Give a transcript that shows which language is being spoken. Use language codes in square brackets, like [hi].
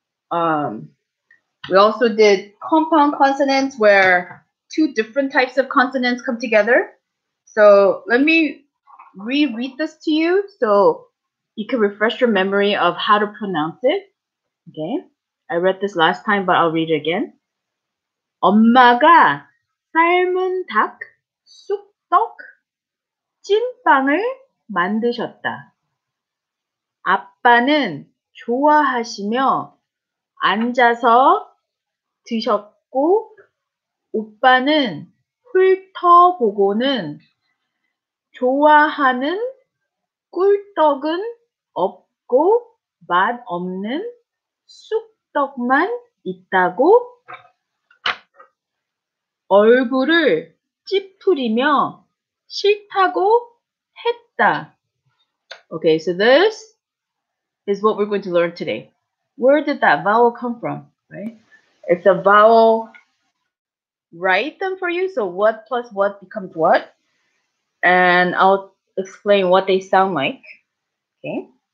[en] And we also did compound consonants where two different types of consonants come together. So let me reread this to you so you can refresh your memory of how to pronounce it. Okay. I read this last time, but I'll read it again. [ko] 엄마가 삶은 닭, 쑥떡, 찐빵을 만드셨다. 아빠는 좋아하시며 앉아서 드셨고, 오빠는 훑어보고는 좋아하는 꿀떡은 없고 맛없는 쑥떡만 있다고 얼굴을 찌푸리며 싫다고 했다. [en] Okay, so this is what we're going to learn today. Where did that vowel come from, right? It's a vowel. Write them for you. So what plus what becomes what? And I'll explain what they sound like, okay?